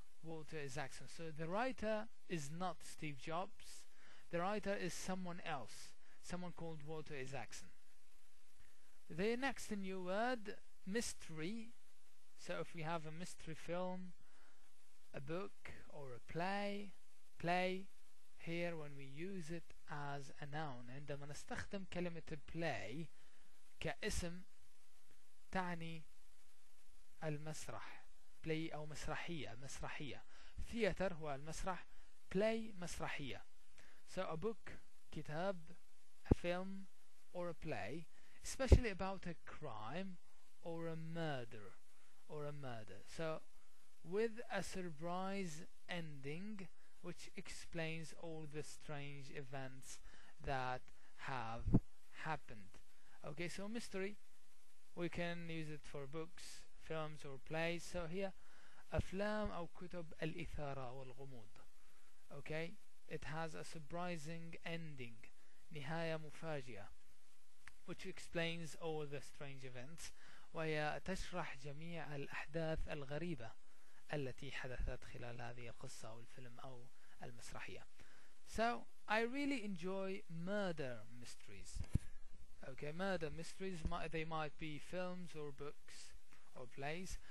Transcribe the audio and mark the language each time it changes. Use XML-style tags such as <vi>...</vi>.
<en>So the writer is not Steve Jobs, the writer is someone else, someone called Walter Isaacson. The next new word, mystery. So if we have a mystery film, a book, or a play, here when we use it as a noun.</en> <ar>عندما نستخدم كلمة play كاسم تعني المسرح. Play أو مسرحية. مسرحية. Theater هو المسرح.</ar> <en>Play مسرحية. So a book, كتاب, a film, or a play, especially about a crime or a murder. Or a murder. So with a surprise ending which explains all the strange events that have happened. Okay, so mystery, we can use it for books, films, or plays. So here,</en> <ar>أفلام أو كتب الإثارة والغموض.</ar> <en>Okay, it has a surprising ending,</en> <ar>نهاية مفاجئة,</ar> <en>which explains all the strange events,</en> <ar>وهي تشرح جميع الأحداث الغريبة التي حدثت خلال هذه القصة أو الفيلم أو المسرحية.</ar> <en>So, I really enjoy murder mysteries. Okay, murder mysteries, they might be films or books or plays.</en>